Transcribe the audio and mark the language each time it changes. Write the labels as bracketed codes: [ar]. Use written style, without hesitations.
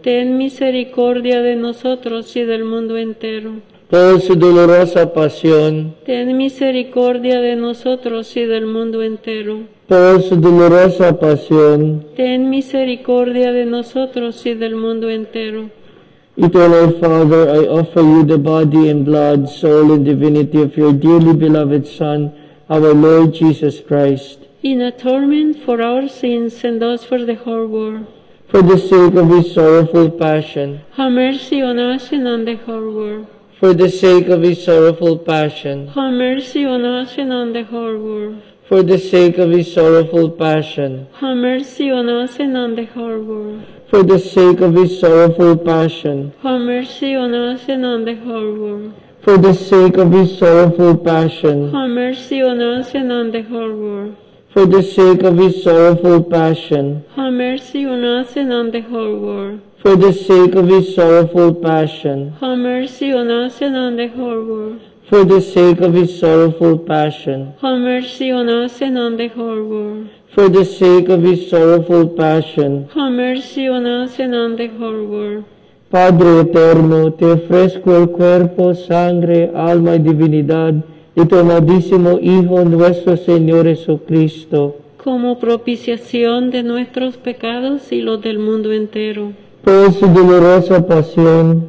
[es] ten misericordia de nosotros y del mundo entero. Por su dolorosa pasión, ten misericordia de nosotros y del mundo entero. Por su dolorosa pasión, ten misericordia de nosotros y del mundo entero. [en] Eternal Father, I offer you the body and blood, soul and divinity of your dearly beloved Son, our Lord Jesus Christ, in atonement for our sins and those for the whole world. For the sake of his sorrowful passion, have mercy on us and on the whole world. for the sake of his sorrowful passion. Have mercy on us and on the whole world. For the sake of his sorrowful passion. Have mercy on us and on the whole world. For the sake of his sorrowful passion. Have mercy on us and on the whole world. For the sake of his sorrowful passion. Have mercy on us and on the whole world. For the sake of his sorrowful passion. Have mercy on us and on the whole world. For the sake of his sorrowful passion. Have mercy on us and on the whole world. For the sake of his sorrowful passion. Have mercy on us and on the whole world. For the sake of his sorrowful passion. Have mercy on us and on the whole world. [es] Padre eterno, te ofrezco el cuerpo, sangre, alma y divinidad de tu amadísimo Hijo nuestro Señor Jesucristo. Como propiciación de nuestros pecados y los del mundo entero. Por su dolorosa pasión.